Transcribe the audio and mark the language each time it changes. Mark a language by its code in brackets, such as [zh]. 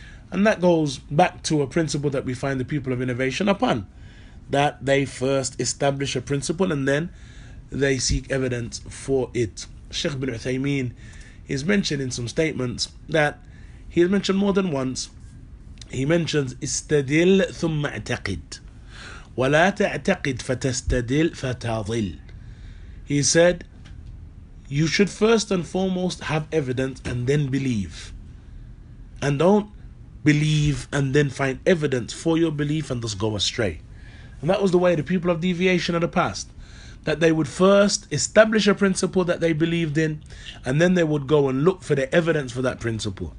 [en] And that goes back to a principle that we find the people of innovation upon, that they first establish a principle and then they seek evidence for it. Sheikh bin Uthaymeen is mentioned in some statements that he has mentioned more than once. He mentions, [ar] استدل ثم اعتقد ولا تعتقد فتستدل فتضل. [en] He said, you should first and foremost have evidence and then believe. And don't believe and then find evidence for your belief and thus go astray. And that was the way the people of deviation of the past, that they would first establish a principle that they believed in and then they would go and look for the evidence for that principle.